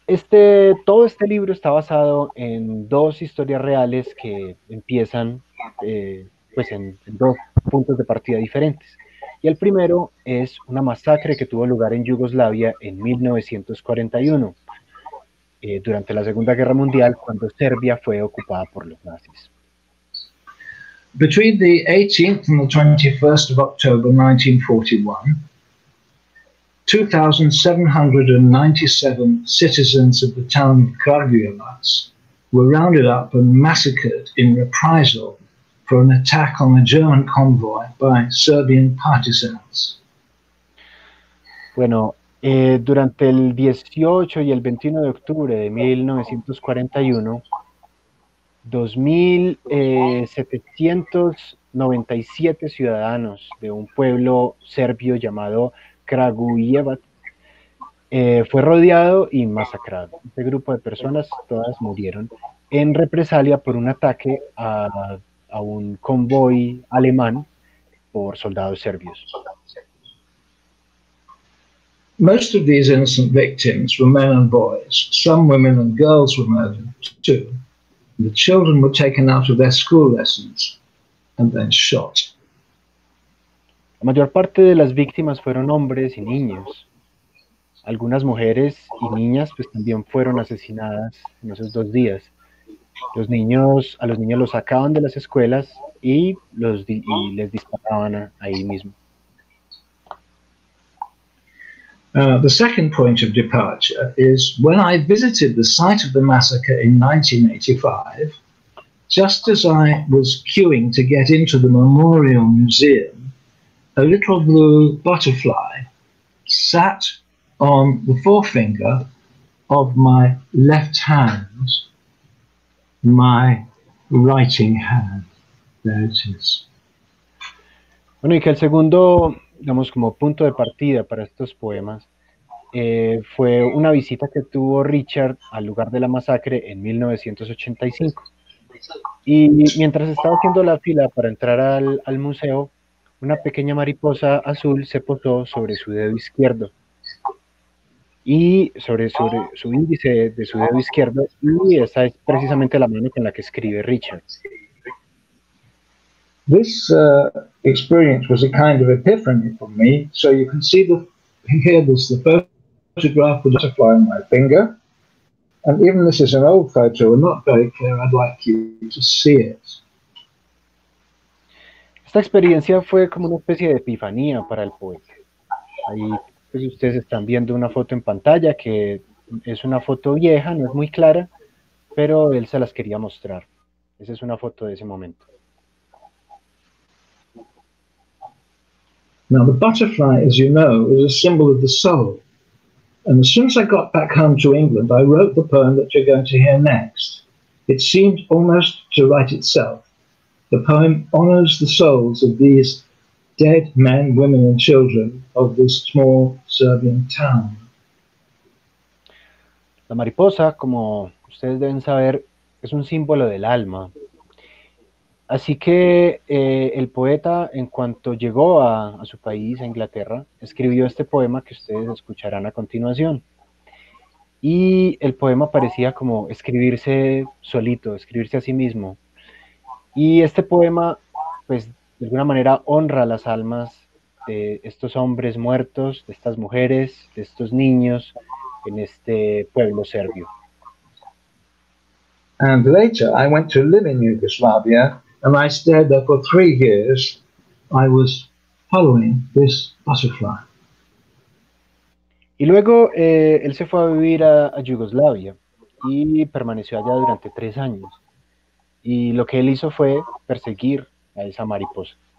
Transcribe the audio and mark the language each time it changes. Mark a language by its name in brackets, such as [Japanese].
[Spanish] Todo este libro está basado en dos historias reales que empiezan pues en dos puntos de partida diferentes. Y el primero es una masacre que tuvo lugar en Yugoslavia en 1941, durante la Segunda Guerra Mundial, cuando Serbia fue ocupada por los nazis. [English] Between the 18th and the 21st of October 1941, 2,797 citizens of the town of Kragujevac were rounded up and massacred in reprisal for an attack on a German convoy by Serbian partisans. [Spanish] Bueno, durante el 18 y el 21 de octubre de 1941, 2,797 ciudadanos de un pueblo serbio llamado Kragujevac fue rodeado y masacrado. Este grupo de personas, todas murieron en represalia por un ataque a un convoy alemán por soldados serbios. [English] Most of these innocent victims were men and boys. Some women and girls were murdered too. The children were taken out of their school lessons and then shot. [Spanish] La mayor parte de las víctimas fueron hombres y niños. Algunas mujeres y niñas pues también fueron asesinadas en esos dos días. A los niños los sacaban de las escuelas y les disparaban ahí mismo. [English] The second point of departure is when I visited the site of the massacre in 1985, just as I was queuing to get into the Memorial Museum, a little blue butterfly sat on the forefinger of my left hand, my writing hand. There it is. [Spanish] Bueno, y que el segundo, digamos, como punto de partida para estos poemas, fue una visita que tuvo Richard al lugar de la masacre en 1985. Y mientras estaba haciendo la fila para entrar al museo, una pequeña mariposa azul se posó sobre su dedo izquierdo. Y sobre su índice de su dedo izquierdo, y esa es precisamente la mano con la que escribe Richard. [English] This experience was a kind of epiphany for me, so you can see the photograph with a butterfly on my finger, and even this is an old photo, and not very clear, I'd like you to see it. [Spanish] Esta experiencia fue como una especie de epifanía para el poeta. Ahí pues ustedes están viendo una foto en pantalla que es una foto vieja, no es muy clara, pero él se las quería mostrar. Esa es una foto de ese momento. [English] Now the butterfly, as you know, is a symbol of the soul. And as soon as I got back home to England, I wrote the poem that you're going to hear next. It seemed almost to write itself. The poem honors the souls of these dead men, women, and children of this small Serbian town. [Spanish] La mariposa, como ustedes deben saber, es un símbolo del alma. Así que el poeta, en cuanto llegó a su país, a Inglaterra, escribió este poema que ustedes escucharán a continuación. Y el poema parecía como escribirse solito, escribirse a sí mismo. Y este poema, pues, de alguna manera honra las almas de estos hombres muertos, de estas mujeres, de estos niños en este pueblo serbio. [English] And later I went to live in Yugoslavia and I stayed there for 3 years. I was following this butterfly. [Spanish] Y luego él se fue a vivir a Yugoslavia y permaneció allá durante 3 años. Y lo que él hizo fue perseguir a esa mariposa.